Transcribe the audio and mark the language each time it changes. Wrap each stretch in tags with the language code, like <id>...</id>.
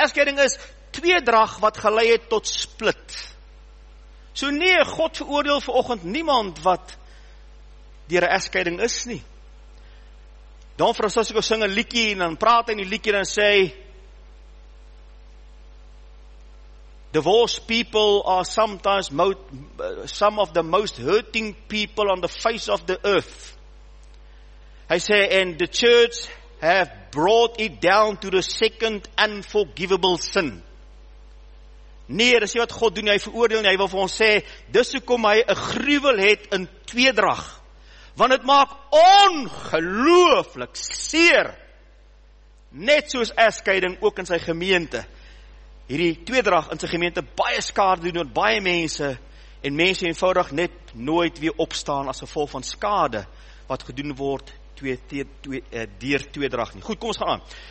<af>Egskeiding is tweedrag wat gelei het tot split. So nee, God veroordeel vanoggend niemand wat deur 'n egskeiding is nie. Dan vra as ek sing 'n liedjie en dan praat in die liedjie en sê</af> <en>divorced people are sometimes some of the most hurting people on the face of the earth.</en> <af>Hy sê,</af> <en>and the church have brought it down to the second unforgivable sin.</en> <af>Nee, dis nie wat God doen, hy veroordeel nie, hy wil vir ons sê, dis hoekom hy 'n gruwel het in tweedrag. Want het maak ongelooflik seer, net soos egskeiding ook in sy gemeente. Hierdie tweedrag in sy gemeente baie skade doen met baie mense, en mense eenvoudig net nooit weer opstaan as gevolg van skade, wat gedoen word deur tweedrag nie. Goed, kom ons gaan aan.</af>